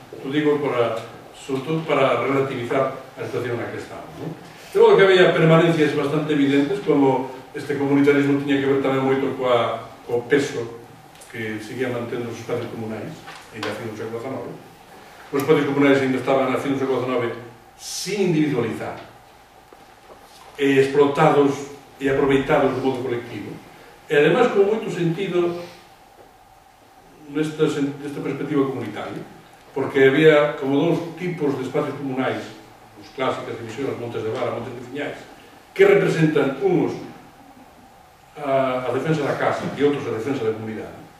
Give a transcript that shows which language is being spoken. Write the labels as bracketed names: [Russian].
[Galician] Tu digo, sobretudo para relativizar a situación na que estamos. De modo que había permanencias bastante evidentes, como este comunitarismo tiña que ver tamén moito co peso que seguía mantendo os espacios comunais, e da fin do século XIX. [Portuguese] Os Códigos Comunais ainda estavam na fim do século XIX sem individualizar, explotados e aproveitados do modo coletivo. E, ademais, com muito sentido nesta perspectiva comunitária, porque havia como dois tipos de espaços comunais, os clássicos, as divisões, Montes de Vara, Montes de Vinhais, que representam uns a defensa da casa e outros a defensa da comunidade.